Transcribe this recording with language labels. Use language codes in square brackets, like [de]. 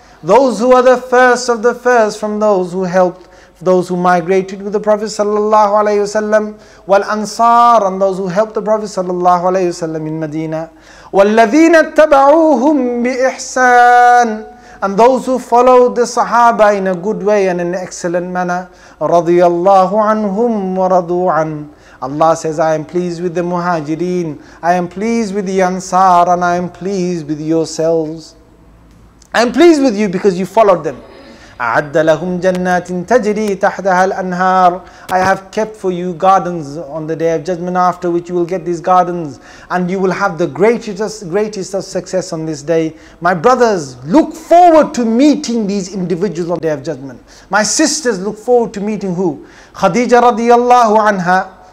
[en] Those who are the first of the first from those who helped, those who migrated with the Prophet sallallahu alayhi wasallam, wal ansar, and those who helped the Prophet sallallahu alayhi wasallam in Medina, [ar] والذين اتبعوهم بإحسان, [en] and those who followed the Sahaba in a good way and in an excellent manner, [ar] رضي الله عنهم ورضوا عن. [en] Allah says, I am pleased with the Muhajireen, I am pleased with the Ansar, and I am pleased with yourselves. I am pleased with you because you followed them. [ar] أعد لهم جنات تجري تحتها الأنهار. [en] I have kept for you gardens on the day of judgment, after which you will get these gardens and you will have the greatest of success on this day. My brothers, look forward to meeting these individuals on the day of judgment. My sisters, look forward to meeting who? Khadija radiallahu anha.